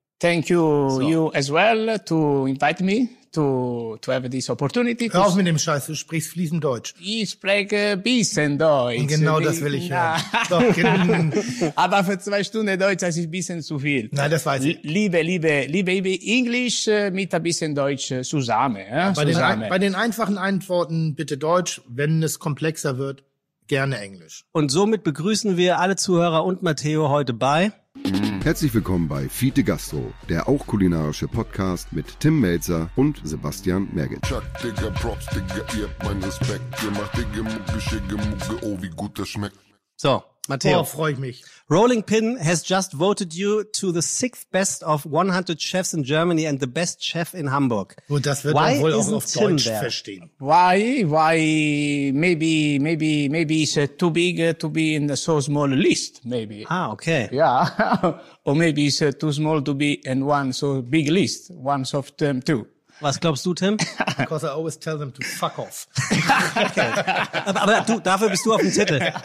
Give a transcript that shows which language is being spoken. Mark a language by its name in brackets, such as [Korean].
[English] Thank you, so. You as well, to invite me to have this opportunity. [German] Hör auf mit dem Scheiß, du sprichst fließend Deutsch. Ich spreche ein bisschen Deutsch. Und genau das will ich hören. Aber für 2 Stunden Deutsch, das ist ein bisschen zu viel. Nein, das weiß ich. Liebe Englisch mit ein bisschen Deutsch zusammen. Bei den einfachen Antworten bitte Deutsch, wenn es komplexer wird, gerne Englisch. Und somit begrüßen wir alle Zuhörer und Matteo heute bei... Herzlich willkommen bei Fiete Gastro, der auch kulinarische Podcast mit Tim Mälzer und Sebastian Merget. Chuck, Digga, Props, Digga, ihr habt meinen Respekt. Ihr macht Digga, Mucke, Schicke, Mucke, oh, wie gut das schmeckt. So, Matteo. Oh, freu ich mich. [English] Rolling Pin has just voted you to the 6th best of 100 chefs in Germany and the best chef in Hamburg. [German] Und das wird man wohl auch auf Deutsch verstehen. [English] Why? Maybe it's too big to be in the so small list, maybe. Ah, okay. Yeah. Or maybe it's too small to be in one so big list, once of them too. [German] Was glaubst du, Tim? [English] Because I always tell them to fuck off. Okay. [German] Aber du, dafür bist du auf dem Titel.